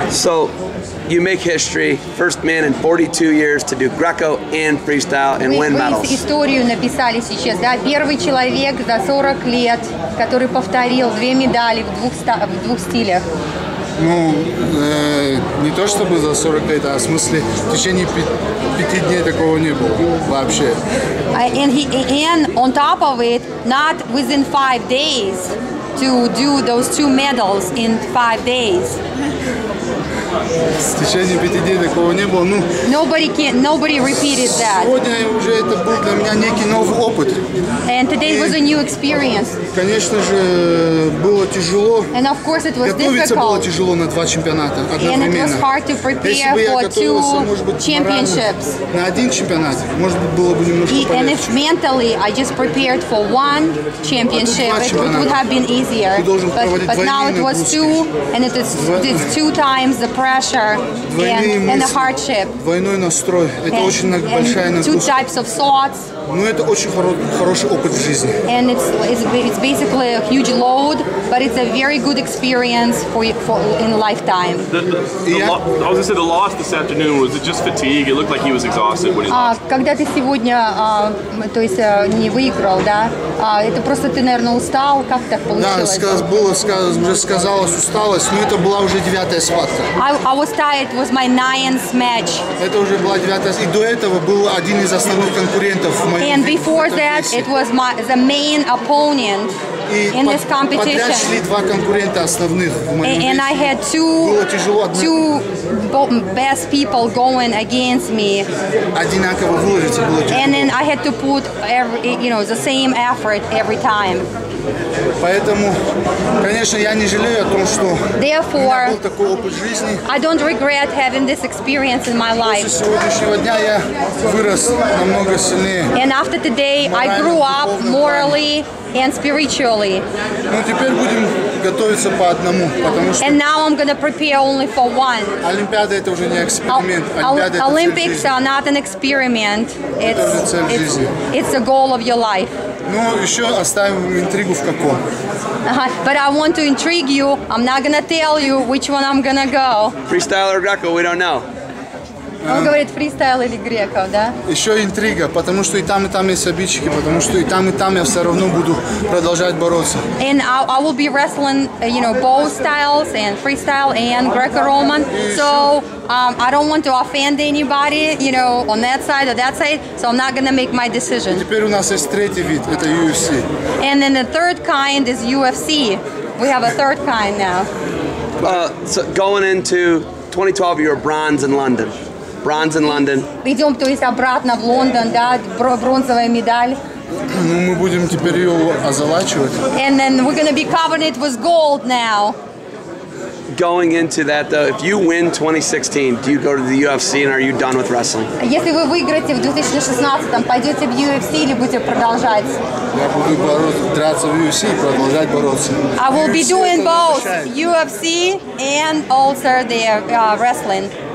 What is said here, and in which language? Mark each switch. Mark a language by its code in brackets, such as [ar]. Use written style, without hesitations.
[en] So you make history, first man in 42 years to do Greco and freestyle and win medals. [ru] Вы историю написали сейчас, да? Первый человек за 40 лет, который повторил две медали в двух стилях. Ну, не то чтобы за 40 лет, а в смысле, в течение 5 дней такого не было вообще. [en] And on top of it, not within 5 days to do those two medals in 5 days. [ru] В течение 5 дней такого не было, ну. [en] Nobody repeated that. [ru] Сегодня уже это был для меня некий новый опыт. [en] And today was a new experience. [ru] Конечно же, было тяжело. [en] And of course it was difficult. [ru] Готовиться было тяжело на два чемпионата одновременно. [en] And it was hard to prepare for two championships. [ru] На один чемпионат, может быть, было бы немножко полегче. [en] And if mentally I just prepared for one championship, it would have been easier. But now it was two, and it's two times the pressure and the hardship. [ru] Двойной настрой. Это очень большая нагрузка. [en] Two types of thoughts. [ru] Ну, это очень хороший опыт в жизни. [en] And it's basically a huge load, but it's a very good experience for in a lifetime. I was going to say, the loss this afternoon, was it just fatigue? It looked like he was exhausted when he lost. [ru] Когда ты сегодня, то есть, не выиграл, да? Это просто ты, наверное, устал? Как так получилось? Да, уже сказалось усталость, но это была уже девятая схватка. [en] I was tired. It was my ninth match. [ru] Это уже была девятая, и до этого был один из основных конкурентов. [en] And before that, it was the main opponent in this competition. And I had two best people going against me. And then I had to put the same effort every time. [ru] Поэтому, конечно, я не жалею о том, что [en] Therefore, [ru] у меня был такой опыт жизни. [en] I don't regret having this experience in my life. [ru] После сегодняшнего дня я вырос намного сильнее. [en] And after today, I grew up morally and spiritually. [ru] Ну, теперь будем готовиться по одному, потому что [en] And now I'm gonna prepare only for one. [ru] Олимпиада — это уже не эксперимент. Олимпиада — это [en] Olympics [ru] цель жизни. [en] Are not an experiment. [ru] Это уже цель жизни. [en] It's a goal of your life. [ru] Ну, еще оставим интригу в каком. [en] But I want to intrigue you. I'm not gonna tell you which one I'm gonna go. Freestyle or Greco, we don't know. [ru] Он говорит фристайл или Греко, да? Еще интрига, потому что и там есть обидчики, потому что и там я все равно буду продолжать бороться. [en] And I will be wrestling, both styles and freestyle and Greco-Roman. So I don't want to offend anybody, on that side or that side. So I'm not gonna make my decision. [ru] Теперь у нас есть третий вид, это UFC. [en] And then the third kind is UFC. We have a third kind now. So going into 2012, you were bronze in London. Bronze in London. [ru] Идем, то есть обратно в Лондон, да, бронзовая медаль. Ну, мы будем теперь ее озолачивать. [en] And then we're gonna be covering it with gold now. Going into that, though, if you win 2016, do you go to the UFC and are you done with wrestling? [ru] Если вы выиграете в 2016, пойдете в UFC или будете продолжать? Я буду драться в UFC и продолжать бороться. [en] I will be doing both UFC and also the wrestling.